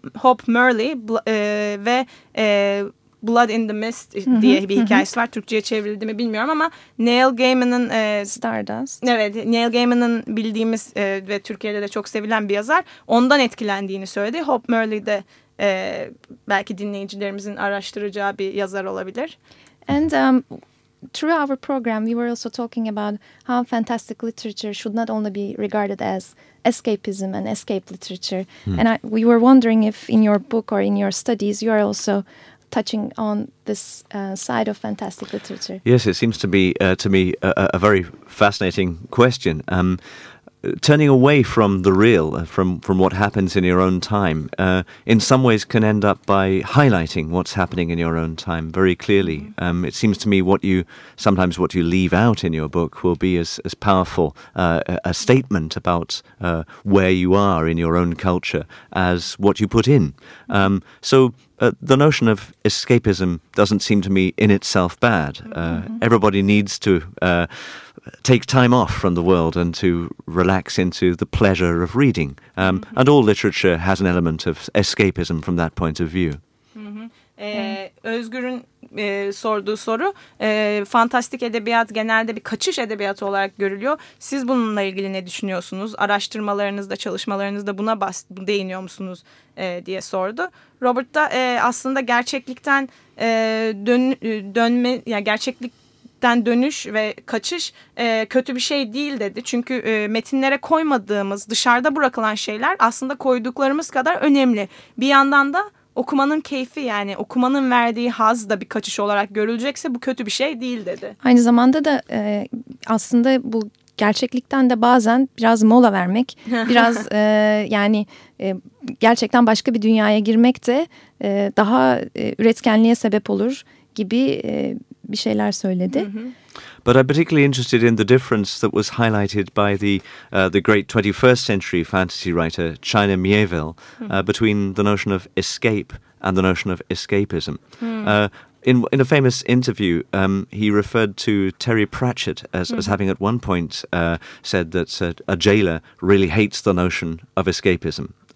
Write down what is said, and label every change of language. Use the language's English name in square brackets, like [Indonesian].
[Turkish] Hope Merle ve Blood in the Mist diye bir hikayesi var. Türkçe'ye çevrildi mi bilmiyorum ama Neil Gaiman'ın Stardust. Evet, Neil Gaiman'ın bildiğimiz ve Türkiye'de de çok sevilen bir yazar. Ondan etkilendiğini söyledi. Hope Merle de belki dinleyicilerimizin araştıracağı bir yazar olabilir. [English] And through our program, we were also talking about how fantastic literature should not only be regarded as escapism and escape literature. And we were wondering if in your book or in your studies, you are also touching on this side of fantastic literature. Yes, it seems to be to me a very fascinating question. Turning away from the real, from what happens in your own time, in some ways can end up by highlighting what's happening in your own time very clearly. It seems to me what you leave out in your book will be as powerful a statement about where you are in your own culture as what you put in. The notion of escapism doesn't seem to me in itself bad. Everybody needs to take time off from the world and to relax into the pleasure of reading. And all literature has an element of escapism from that point of view. [Turkish] Özgür'ün sorduğu soru, fantastik edebiyat genelde bir kaçış edebiyatı olarak görülüyor. Siz bununla ilgili ne düşünüyorsunuz? Araştırmalarınızda, çalışmalarınızda buna değiniyor musunuz diye sordu. Robert da aslında gerçeklikten dönme, ya yani gerçeklikten dönüş ve kaçış kötü bir şey değil dedi. Çünkü metinlere koymadığımız, dışarıda bırakılan şeyler aslında koyduklarımız kadar önemli. Bir yandan da okumanın keyfi, yani okumanın verdiği haz da bir kaçış olarak görülecekse bu kötü bir şey değil dedi. Aynı zamanda da aslında bu gerçeklikten de bazen biraz mola vermek, biraz yani gerçekten başka bir dünyaya girmek de daha üretkenliğe sebep olur gibi bir şeyler söyledi. [English] But I'm particularly interested in the difference that was highlighted by the great 21st century fantasy writer China Mieville between the notion of escape and the notion of escapism. In a famous interview, he referred to Terry Pratchett as having at one point said that a jailer really hates the notion of escapism.